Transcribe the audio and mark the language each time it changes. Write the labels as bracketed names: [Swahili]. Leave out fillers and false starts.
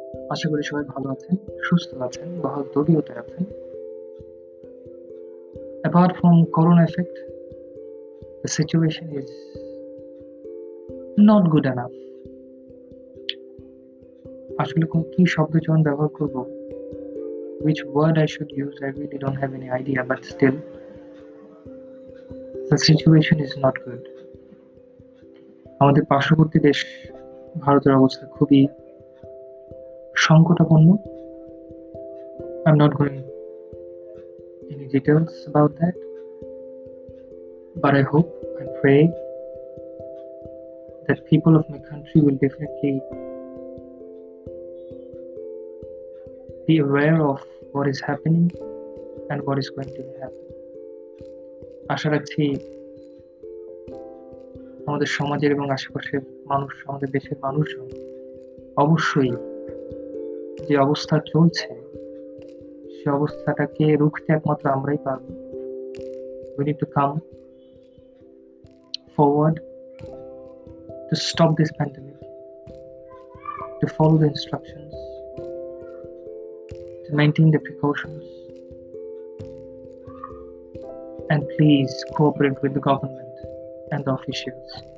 [Bangla] আশা করি সবাই ভালো আছেন, সুস্থ আছেন, ভালো দরিয়তে আছেন। [English] Apart from corona effect, the situation is not good enough. [Bangla] আসলে কি শব্দ যখন ব্যবহার করব, [English] which word I should use, I really don't have any idea, but still the situation is not good. [Bangla] আমাদের পার্শ্ববর্তী দেশ ভারতের অবস্থা খুবই সংকটাপন্ন। [English] I'm not going any details about that, but I hope and pray that people of my country will definitely be aware of what is happening and what is going to happen. [Bangla] আশা রাখছি আমাদের সমাজের এবং আশেপাশের মানুষ, আমাদের দেশের মানুষজন অবশ্যই যে অবস্থা চলছে সে অবস্থাটাকে রুখতে একমাত্র আমরাই পারব। [English] We need to come forward to stop this pandemic, to follow the instructions, to maintain the precautions, and please cooperate with the government and the officials.